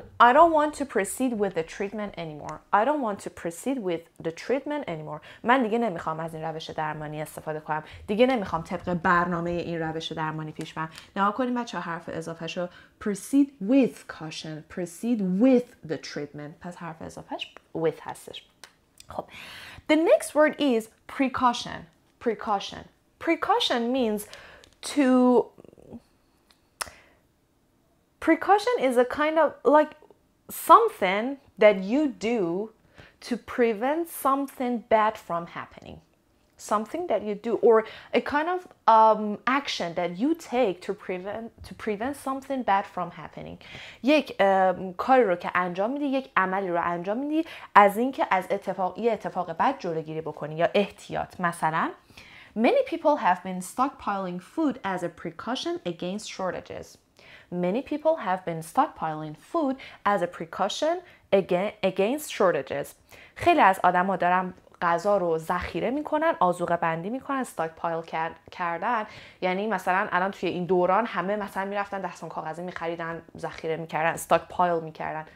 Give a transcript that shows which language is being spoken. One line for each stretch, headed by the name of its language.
English: I don't want to proceed with the treatment anymore. I don't want to proceed with the treatment anymore.
Persian: من دیگه نمیخوام از این روش درمانی استفاده کنم. دیگه نمیخوام طبق برنامه این روش درمانی پیش برم. نگاه کنیم بچه ها حرف اضافهشو.
English: Proceed with caution. Proceed with the treatment.
Persian: پس حرف اضافهش with هستش.
English: خب. The next word is precaution. Precaution. Precaution means to... Precaution is a kind of like something that you do to prevent something bad from happening. Something that you do or a kind of action that you take to prevent something bad from happening.
Persian: یک کاری رو که انجام میدی، یک عملی رو انجام میدی از اینکه از اتفاق بد جلوگیری بکنی یا احتیاط. مثلا
English: many people have been stockpiling food as a precaution against shortages. Many people have been stockpiling food as a precaution against shortages.
Persian: خیلی از آدما دارن غذا رو ذخیره میکنن، آذوقه بندی میکنن، استاکپایل کردن. یعنی مثلا الان توی این دوران همه مثلا میرفتن دستمال کاغذی میخریدن، ذخیره میکردن، استاکپایل میکردن.